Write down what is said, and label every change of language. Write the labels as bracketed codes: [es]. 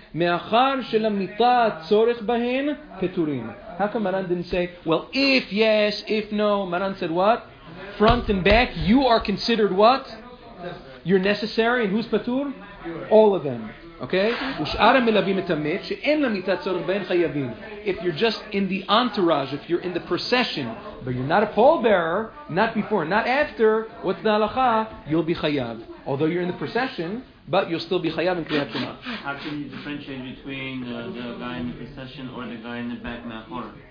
[he] מאחר שלמיטה צורך בהן פטורים. [en] How come Maran didn't say, well, if yes, if no? Maran said what? Front and back, you are considered what? You're necessary, and who's patur? All of them. Okay? [he] ושאר המלווים את המת שאין למיטה צורך בהן חייבים. [en] If you're just in the entourage, if you're in the procession, but you're not a pallbearer, not before, not after, what's the halacha? You'll be chayav. Although you're in the procession, but you'll still be chayav in kriyat shema. How can you differentiate between the guy in the procession or the guy in the back me'achor?